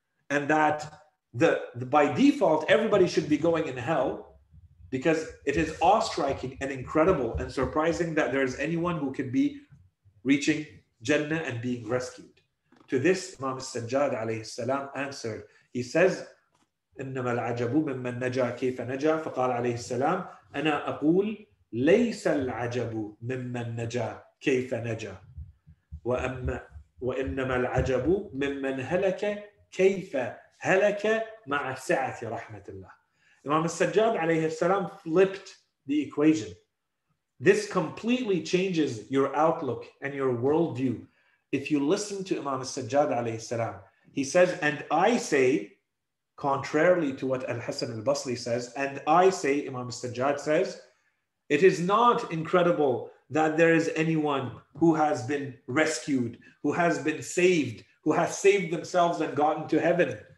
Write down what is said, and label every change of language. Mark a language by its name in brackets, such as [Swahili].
[English] And that the by default, everybody should be going in hell because it is awe-striking and incredible and surprising that there's anyone who can be reaching Jannah and being rescued. To this, Imam Sajjad alayhi salam answered, he says, [Arabic] إنما العجب ممن نجا كيف نجا فقال عليه السلام أنا أقول ليس العجب ممن نجا كيف نجا وإنما العجب ممن هلك كيف هلك مع سعة رحمة الله. إمام السجاد عليه السلام [English] flipped the equation. This completely changes your outlook and your worldview. If you listen to Imam al-Sajjad alayhi salam, he says, and I say, contrarily to what al-Hasan al-Basri says, and I say, Imam al-Sajjad says, it is not incredible that there is anyone who has been rescued, who has been saved, who has saved themselves and gotten to heaven.